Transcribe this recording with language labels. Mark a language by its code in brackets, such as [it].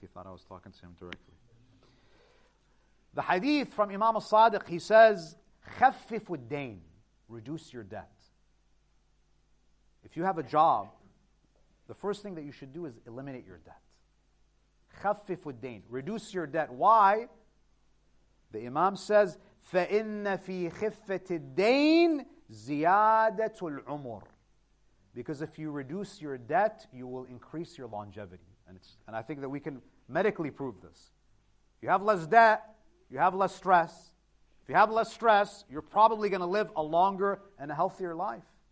[en] He thought I was talking to him directly. The hadith from Imam al-Sadiq, he says, [ar] خَفِّفُ الدَّيْنِ. [en] Reduce your debt. If you have a job, the first thing that you should do is eliminate your debt. [ar] خَفِّفُ الدَّيْنِ. [en] Reduce your debt. Why? The Imam says, [ar] فَإِنَّ فِي خِفَّةِ الدَّيْنِ زِيَادَةُ الْعُمُرِ. [en] Because if you reduce your debt, you will increase your longevity. And I think that we can medically prove this. You have less debt, you have less stress. If you have less stress, you're probably going to live a longer and a healthier life.